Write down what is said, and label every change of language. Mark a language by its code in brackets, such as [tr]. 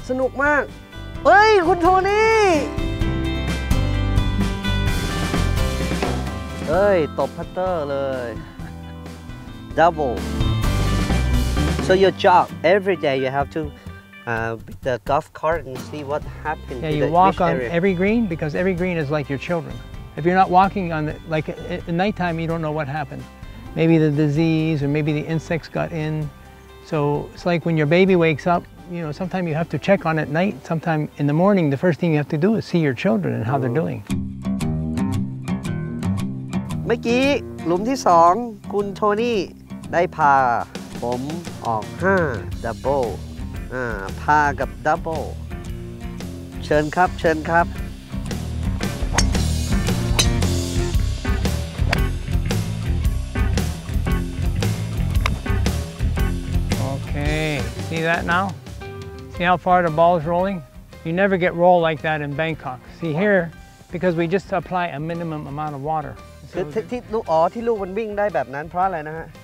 [th] สนุกมากเฮ้ยคุณโทนี่เฮ้ยตบพัตเตอร์เลย [en] double so your job every day you have to the golf cart and see what happens yeah you walk on every green because every green is like your children if you're not walking on the, like at nighttime you don't know what happened maybe the disease or maybe the insects got in so it's like when your baby wakes upYou know, sometimes you have to check on at night. Sometimes in the morning, the first thing you have to do is see your children and how they're doing. [th] เมื่อกี้หลุมที่สองคุณโทนี่ได้พาผมออก5 double พากับ double เชิญครับเชิญครับ [en] โอเค see that now? See how far the ball is rolling? You never get roll like that in Bangkok. See wow. here, because we just apply a minimum amount of water. [th] ที่ลูกมันวิ่งได้แบบนั้นเพราะอะไรนะฮะ